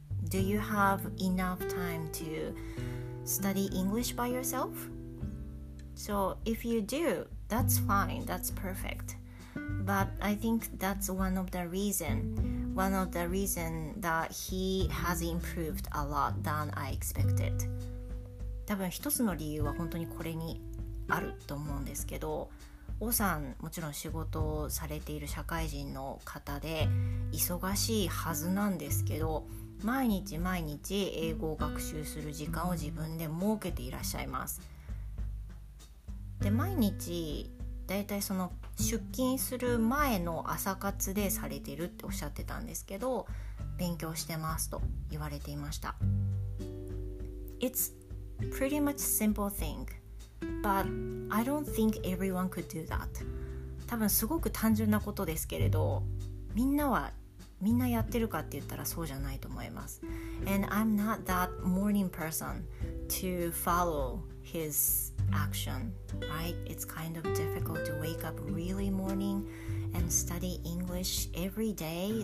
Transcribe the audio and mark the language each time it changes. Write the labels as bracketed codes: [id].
[en] Do you have enough time to study English by yourself? So if you do,That's fine, that's perfect. But I think that's one of the reasons that he has improved a lot than I expected. [ja] 多分一つの理由は本当にこれにあると思うんですけど、王さんもちろん仕事をされている社会人の方で忙しいはずなんですけど、毎日毎日英語を学習する時間を自分で設けていらっしゃいます。で、毎日だいたいその出勤する前の朝活でされてるっておっしゃってたんですけど、勉強してますと言われていました。 [en] It's pretty much simple thing, but I don't think everyone could do that. [ja] 多分すごく単純なことですけれど、みんなやってるかって言ったらそうじゃないと思います。 [en] And I'm not that morning person to follow hisaction, right? It's kind of difficult to wake up really morning and study English every day.